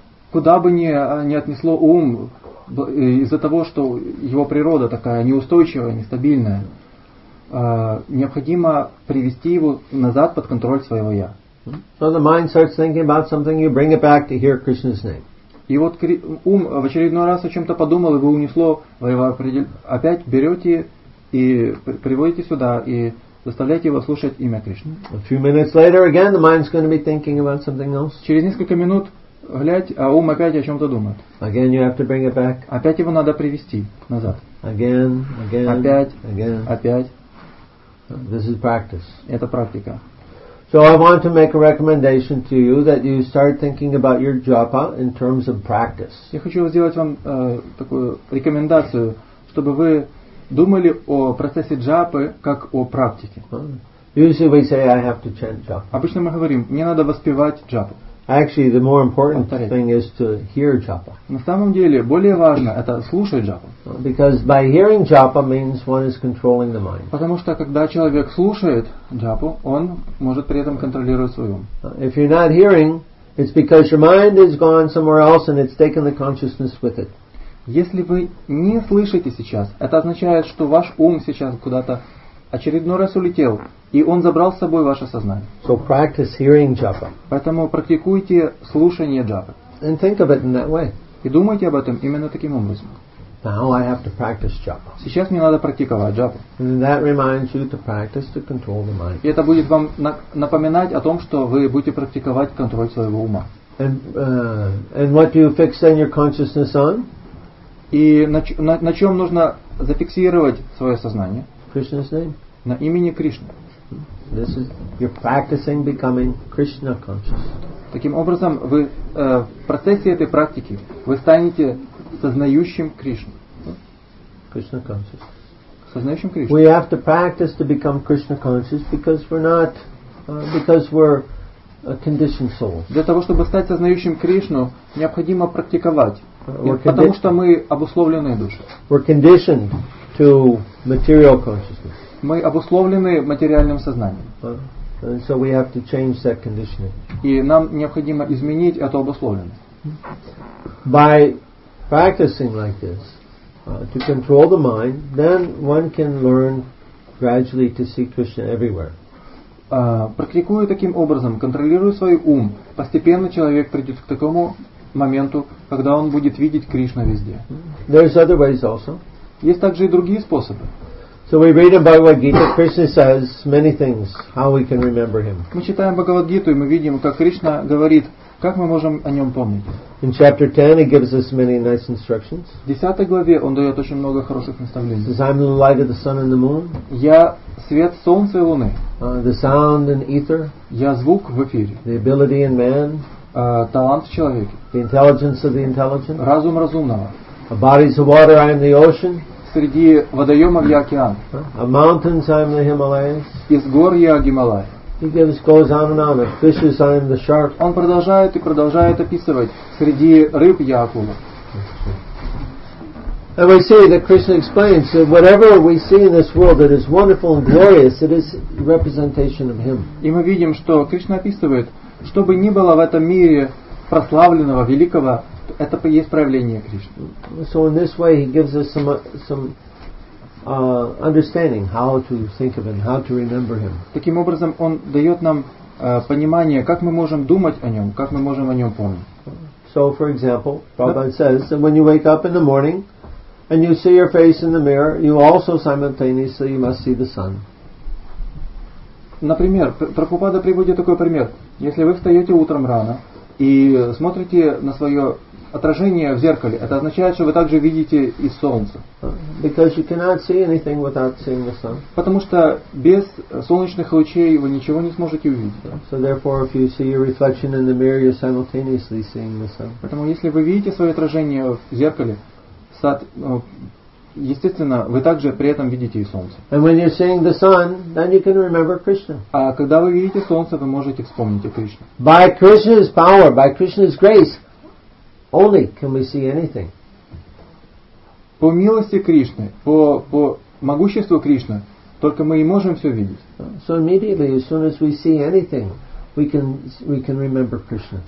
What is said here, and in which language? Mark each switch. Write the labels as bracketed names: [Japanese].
[Russian] Куда бы ни отнесло ум из-за того, что его природа такая неустойчивая, нестабильная, необходимо привести его назад под контроль своего я. [English] So the mind starts thinking about something, you bring it back to hear Krishna's name. [Russian] И вот ум в очередной раз о чем-то подумал, его унесло, вы его опять берете и приводите сюда и заставляете его слушать имя Кришны. [English] A few minutes later, again, the mind's going to be thinking about something else. [Russian] Через несколько минут глядь, а ум опять о чем-то думает. [English] Again, you have to bring it back. [Russian] Опять его надо привести назад. [English] Again, again. [Russian] Опять. [English] Again. [Russian] Опять. [English] This is practice. [Russian] Это практика. [English] So I want to make a recommendation to you that you start thinking about your japa in terms of practice. [Russian] Я хочу сделать вам такую рекомендацию, чтобы вы думали о процессе джапы как о практике. [English] Usually we say I have to chant japa. [Russian] Обычно мы говорим, мне надо воспевать джапу. [English] Actually, the more important thing is to hear japa. [Russian] На самом деле, более важно это слушать джапу. [English] Because by hearing japa means one is controlling the mind. [Russian] Потому что когда человек слушает джапу, он может при этом контролировать свой ум. [English] If you're not hearing, it's because your mind has gone somewhere else and it's taken the consciousness with it. [Russian] Если вы не слышите сейчас, это означает, что ваш ум сейчас куда-то очередной раз улетел, и он забрал с собой ваше сознание. [English] So practice hearing japa. [Russian] Поэтому практикуйте слушание джапы. [English] And think of it in that way. [Russian] И думайте об этом именно таким образом. [English] Now I have to practice japa. [Russian] Сейчас мне надо практиковать джапу. [English] And that reminds you to practice to control the mind. [Russian] И это будет вам напоминать о том, что вы будете практиковать контроль своего ума. [English] And what do you fix then your consciousness on? [Russian] И на чем нужно зафиксировать свое сознание? [English] Krishna's name? [Russian] На имени Кришны. [English] This is you're practicing becoming Krishna conscious. [Russian] Таким образом, вы в процессе этой практики вы станете сознающим Кришну. [English] Krishna conscious. [Russian] Сознающим Кришну. [English] We have to practice to become Krishna conscious because we're not because we're a conditioned soul. [Russian] Для того, чтобы стать сознающим Кришну, необходимо практиковать, потому что мы обусловленные души. [English] We're conditioned to material consciousness. [Russian] Мы обусловлены материальным сознанием. [English] And so we have to change that conditioning. [Russian] И нам необходимо изменить эту обусловленность. [English] By practicing like this, to control the mind, then one can learn gradually to see Krishna everywhere. [Russian] Практикуя таким образом, контролируя свой ум, постепенно человек придет к такому моменту, когда он будет видеть Кришну везде. [English] There's other ways also. [Russian] Есть также и другие способы. [English] So we read in Bhagavad Gita, Krishna says many things, how we can remember him. [Russian] Мы читаем Бхагавад Гиту, и мы видим, как Кришна говорит, как мы можем о нем помнить. [English] In chapter 10, he gives us many nice instructions. [Russian] В 10 главе он дает очень много хороших наставлений. [English] He says, I'm the light of the sun and the moon. [Russian] Я свет солнца и луны. [English] The sound in ether. [Russian] Я звук в эфире. [English] The ability in man. [Russian] Талант в человеке. [English] The intelligence of the intelligent. [Russian] Разум разумного. [English] A body is the water, I am the ocean. [Russian] Среди водоемов я океан. [English] Of mountains I am the Himalayas. [Russian] Из гор я Гималай. [English] He goes on and on. Of fishes I am the shark. [Russian] Он продолжает и продолжает описывать. Среди рыб я акула. [English] And we see that Krishna explains that whatever we see in this world that is wonderful and glorious, it is representation of Him. [Russian] И мы видим, что Кришна описывает, что бы ни было в этом мире прославленного, великого, это и есть проявление Кришны. [English] So in this way he gives us some understanding how to think of him, how to remember him. [Russian] Таким образом он дает нам понимание, как мы можем думать о нем, как мы можем о нем помнить. [English] So for example, Prabhupada says that when you wake up in the morning and you see your face in the mirror, you also simultaneously you must see the sun. [Russian] Например, Прабхупада приводит такой пример. Если вы встаете утром рано и смотрите на свое отражение в зеркале, это означает, что вы также видите и солнце. [English] Because you cannot see anything without seeing the sun. [Russian] Потому что без солнечных лучей вы ничего не сможете увидеть. [English] So therefore, if you see your reflection in the mirror, you're simultaneously seeing the sun. [Russian] Поэтому если вы видите свое отражение в зеркале, естественно, вы также при этом видите и солнце. [English] And when you're seeing the sun, then you can remember Krishna. [Russian] А когда вы видите солнце, вы можете вспомнить о Кришне. [English] By Krishna's power, by Krishna's grace, only can we see anything. [Russian] По милости Кришны, по могуществу Кришны, только мы и можем все видеть. [English] So immediately, as soon as we see anything, we can remember Krishna.